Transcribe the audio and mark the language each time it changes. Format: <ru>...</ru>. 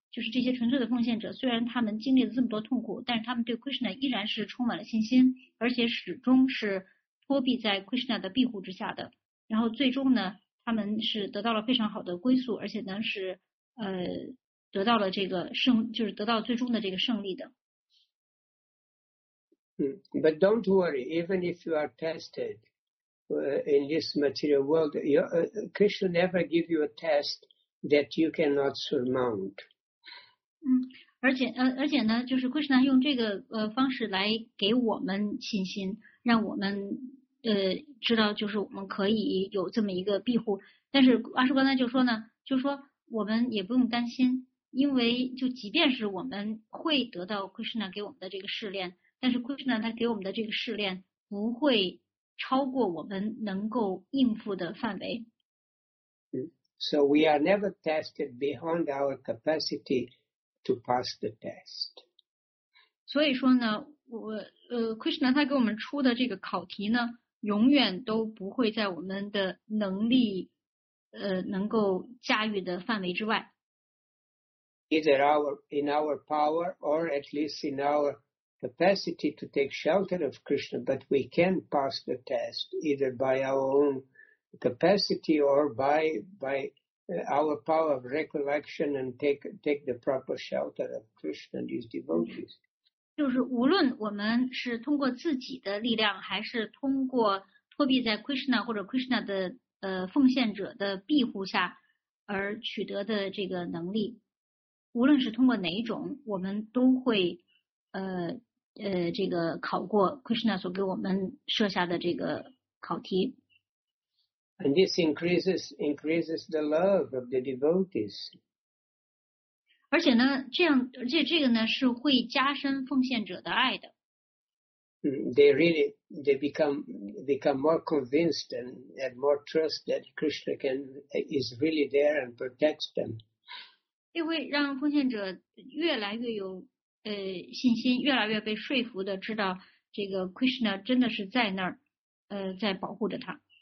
<zh>就是这些纯粹的奉献者，虽然他们经历了这么多痛苦，但是他们对 Krishna 依然是充满了信心，而且始终是托庇在 Krishna 的庇护之下的。然后最终呢，他们是得到了非常好的归宿，而且呢是得到了这个胜，就是得到最终的这个胜利的。</zh> <en>But don't worry, even if you are tested in this material world, Krishna never give you a test that you cannot surmount.</en> <zh>而且呢就是 Krishna 用这个方式来给我们信心，让我们知道就是我们可以有这么一个庇护。但是阿叔刚才就说呢，就说我们也不用担心，因为就即便是我们会得到 Krishna 给我们的这个试炼，但是 Krishna 他给我们的这个试炼不会超过我们能够应付的范围。</zh> <en>So we are never tested beyond our capacity. To pass the test.</en> <zh>所以说呢，Krishna 他给我们出的这个考题呢，永远都不会在我们的能力能够驾驭的范围之外。</zh> <en>Either in our power or at least in our capacity to take shelter of Krishna, but we can pass the test either by our own capacity or by. Our power of recollection and take the proper shelter of Krishna and his devotees.</en> <zh>就是无论我们是通过自己的力量，还是通过托庇在 Krishna 或者 Krishna 的奉献者的庇护下而取得的这个能力，无论是通过哪一种，我们都会这个考过 Krishna 所给我们设下的这个考题。</zh> <en>And this increases the love of the devotees.</en> <zh>而且呢，这样，而且这个呢，是会加深奉献者的爱的。</zh> <en>They become more convinced and have more trust that Krishna is really there and protects them.</en> <zh>就会让奉献者越来越有信心，越来越被说服的知道这个 Krishna 真的是在那儿在保护着他。</zh>